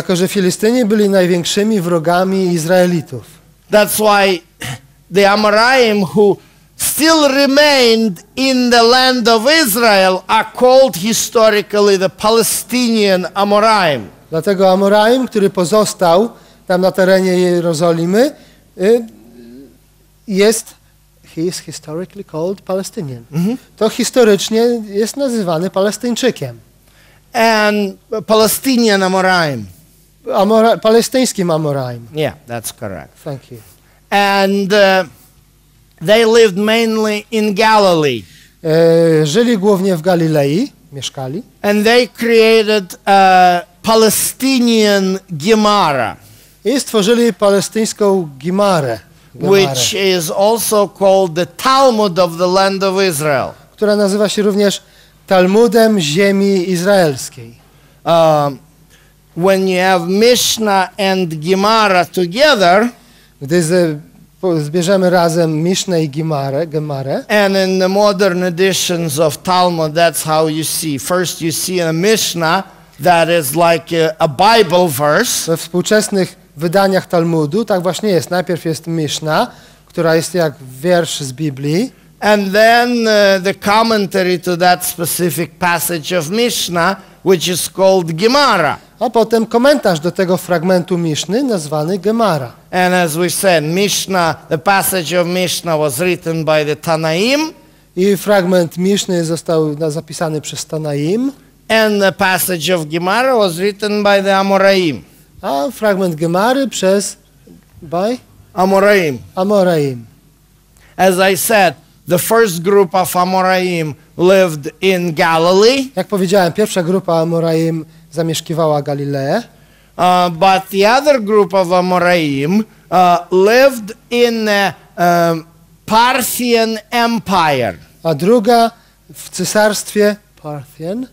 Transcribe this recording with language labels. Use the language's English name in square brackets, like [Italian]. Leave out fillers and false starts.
[Polish] Jako że Filistyni byli największymi wrogami Izraelitów. [English] That's why the Amoraim who still remained in the land of Israel are called historically the Palestinian Amoraim. [Polish] Dlatego Amoraim, który pozostał tam na terenie Jerozolimy, jest, [English] he is historically called Palestinian. Mm-hmm. [Polish] To historycznie jest nazywany Palestyńczykiem. [English] And Palestinian Amoraim. [Polish] Palestyńskim Amoraim. [English] Yeah, that's correct. Thank you. And they lived mainly in Galilee. [Polish] Żyli głównie w Galilei, mieszkali. [English] And they created Palestinian Gemara. [Polish] I stworzyli palestyńską Gemarę, [English] which is also called the Talmud of the land of Israel. [Polish] Która nazywa się również Talmudem ziemi izraelskiej. [English] When you have Mishnah and Gemara together, [Polish] gdy zbierzemy razem Mishnę i Gemarę, [English] and in the modern editions of Talmud, that's how you see. First you see a Mishnah, that is like a Bible verse. [Polish] We współczesnych wydaniach Talmudu tak właśnie jest. Najpierw jest Miszna, która jest jak wiersz z Biblii. [English] And then the commentary to that specific passage of Mishnah, which is called Gemara. [Polish] A potem komentarz do tego fragmentu Miszny nazwany Gemara. [English] And as we said, Mishnah, the passage of Mishnah was written by the Tanaim. [Polish] I fragment Miszny został zapisany przez Tanaim. [English] And the passage of Gemara was written by the Amoraim. [Polish] A fragment Gemary przez by Amoraim. Amoraim. [English] As I said, the first group of Amoraim lived in Galilee. [Polish] Jak powiedziałem, pierwsza grupa Amoraim zamieszkiwała Galileę. [English] But the other group of Amoraim lived in the Parthian Empire. [Polish] A druga w cesarstwie Parthian.